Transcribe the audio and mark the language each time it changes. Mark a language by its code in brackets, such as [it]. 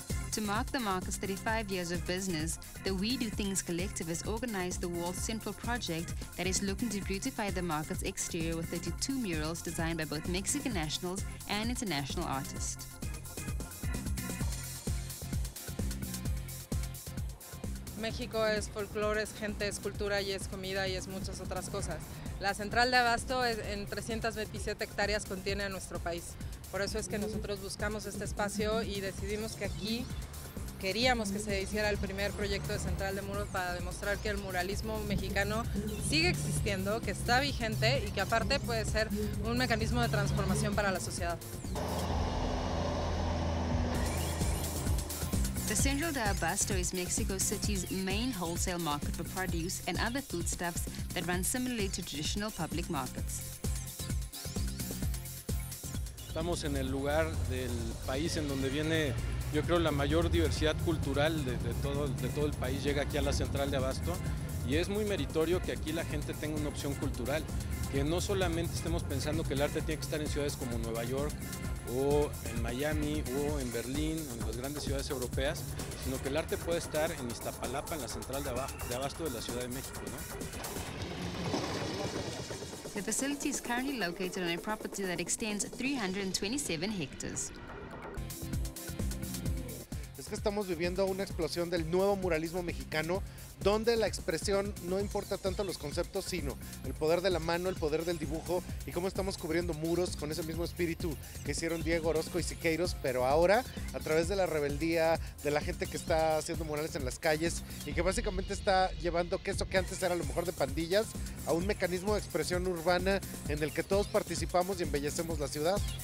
[en] To mark the market's 35 years of business, the We Do Things Collective has organized the World Central project that is looking to beautify the market's exterior with 32 murals designed by both Mexican nationals and international artists. [es] México es folclore, es gente, es cultura y es comida y es muchas otras cosas. La central de abasto es en 327 hectáreas contiene a nuestro país. Por eso es que nosotros buscamos este espacio y decidimos que aquí queríamos que se hiciera el primer proyecto de central de muros para demostrar que el muralismo mexicano sigue existiendo, que está vigente y que aparte puede ser un mecanismo de transformación para la sociedad. [en] The Central de Abasto is Mexico City's main wholesale market for produce and other foodstuffs that run similarly to traditional public markets. [es] Estamos en el lugar del país en donde viene, yo creo, la mayor diversidad cultural de todo el país llega aquí a la Central de Abasto y es muy meritorio que aquí la gente tenga una opción cultural, que no solamente estemos pensando que el arte tiene que estar en ciudades como Nueva York, o en Miami, o en Berlín, o en las grandes ciudades europeas, sino que el arte puede estar en Iztapalapa, en la central de abasto de la Ciudad de México, ¿no? [en] The facility is currently located on a property that extends 327 hectares. [es] Es que estamos viviendo una explosión del nuevo muralismo mexicano, donde la expresión no importa tanto los conceptos, sino el poder de la mano, el poder del dibujo y cómo estamos cubriendo muros con ese mismo espíritu que hicieron Diego Orozco y Siqueiros, pero ahora a través de la rebeldía, de la gente que está haciendo murales en las calles y que básicamente está llevando que eso que antes era a lo mejor de pandillas a un mecanismo de expresión urbana en el que todos participamos y embellecemos la ciudad.